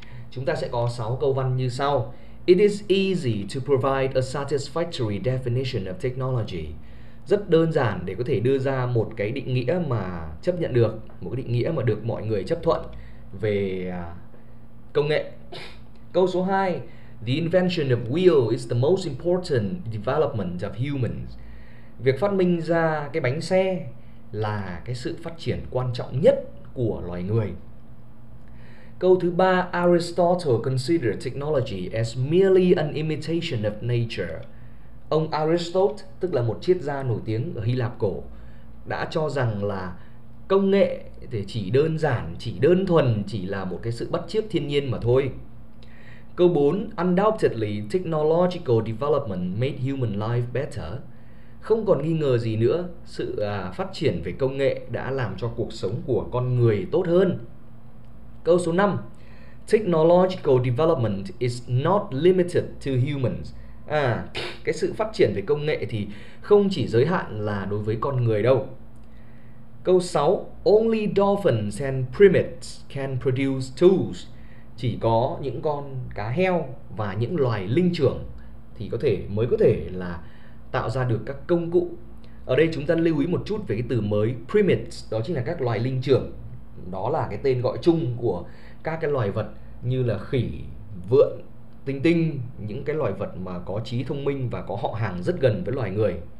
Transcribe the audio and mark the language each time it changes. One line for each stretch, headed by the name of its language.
Vietnamese: Chúng ta sẽ có 6 câu văn như sau.
English: It is easy to provide a satisfactory definition of technology.
Vietnamese: Rất đơn giản để có thể đưa ra một cái định nghĩa mà chấp nhận được, một cái định nghĩa mà được mọi người chấp thuận về công nghệ. Câu số 2.
English: The invention of wheel is the most important development of humans.
Vietnamese: Việc phát minh ra cái bánh xe là cái sự phát triển quan trọng nhất của loài người. Câu thứ 3,
English: Aristotle considered technology as merely an imitation of nature.
Vietnamese: Ông Aristotle, tức là một triết gia nổi tiếng ở Hy Lạp cổ, đã cho rằng là công nghệ thì chỉ đơn giản, chỉ đơn thuần chỉ là một cái sự bắt chước thiên nhiên mà thôi. Câu 4,
English: undoubtedly technological development made human life better.
Vietnamese: Không còn nghi ngờ gì nữa, sự phát triển về công nghệ đã làm cho cuộc sống của con người tốt hơn. Câu số 5,
English: technological development is not limited to humans.
Vietnamese: À, cái sự phát triển về công nghệ thì không chỉ giới hạn là đối với con người đâu. Câu 6,
English: only dolphins and primates can produce tools.
Vietnamese: Chỉ có những con cá heo và những loài linh trưởng thì có thể mới có thể là tạo ra được các công cụ. Ở đây chúng ta lưu ý một chút về cái từ mới primates, đó chính là các loài linh trưởng. Đó là cái tên gọi chung của các cái loài vật như là khỉ, vượn, tinh tinh, những cái loài vật mà có trí thông minh và có họ hàng rất gần với loài người.